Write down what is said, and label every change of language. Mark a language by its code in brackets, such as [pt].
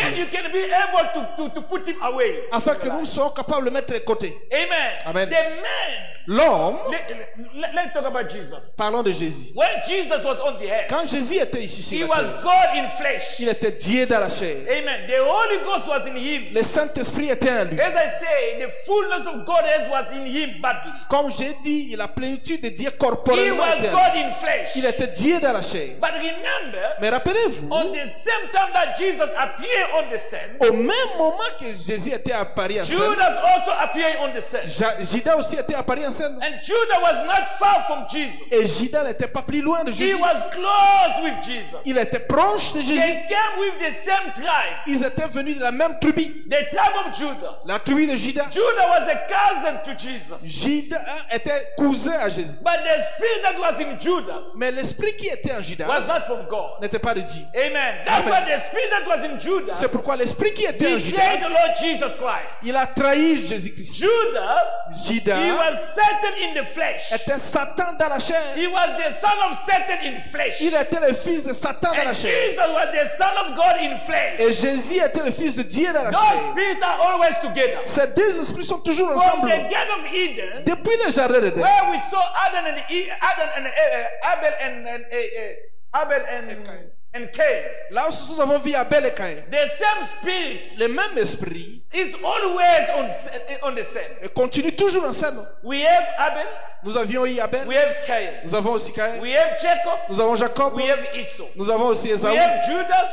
[en] Then you can be able to put him away. [fr] Afin que nous soyons capables de le mettre de côté. Amen. Amen. [en] The man. [fr] L'homme. [en] Let's talk about Jesus. [fr] Parlons de Jésus. [en] When Jesus was on the earth, [fr] quand Jésus était ici sur la terre, [en] he was God in flesh. [fr] Il était Dieu dans la chair. [en] Amen. The Holy Ghost was in him. [fr] Le Saint-Esprit était en lui. [en] As I say, the fullness of Godhead was in him bodily. [fr] Comme j'ai dit, la plénitude de Dieu corporellement. [en] He was God in flesh. [fr] Il était Dieu dans la chair. [en] But remember, [fr] mais rappelez-vous, [en] on the same time that Jesus appeared on the scene, [fr] au même moment que Jésus était apparu à scène, [en] Judas also appeared on the scene. [fr] Judas aussi était apparu à scène. [en] And Judas was not far from Jesus. [fr] Et Judas n'était pas plus loin de Jésus. [en] He was close with Jesus. [fr] Il était proche de Jésus. [en] They came with the same tribe. [fr] Ils étaient venus de la même tribu. [en] The tribe of Judas. [fr] La tribu de Judas. [en] Judas was a cousin to Jesus. [fr] Judas était cousin à Jésus. [en] But the spirit that was in Judas. [fr] Mais l'esprit qui était en Judas. [en] Was not from God. [fr] N'était pas de Dieu. Amen. [en] That's why the spirit that was in Judas. [fr] C'est pourquoi l'esprit qui était en Judas. [en] Betrayed the Lord Jesus Christ. [fr] Il a trahi Jésus Christ. [en] Judas. He was Satan in the flesh. [fr] Était Satan dans la chair. [en] He was the son of Satan in flesh. [fr] Il était le fils de Satan dans [en] and [fr] la chair. [en] Jesus was the son of God in flesh. [fr] Et Jésus était le fils de Dieu dans la [en] those [fr] chair. [en] Those spirits are always together. [fr] Ces deux esprits sont toujours [en] from [fr] ensemble. [en] From the Garden of Eden. [fr] Depuis le jardin d'Eden. [en] Where we saw Adam and Abel and Cain. [fr] Là où nous avons vu Abel et Cain. [en] The same spirit. [fr] Le même esprit. [en] Is always on the scene. [fr] Et continue toujours ensemble. [en] We have Abel. [fr] Nous avions eu Abel. [en] We have Cain. [fr] Nous avons aussi Cain. [en] We have Jacob. [fr] Nous avons Jacob. [en] We have Esau. [fr] Nous avons aussi Esau. [en] We have Judas.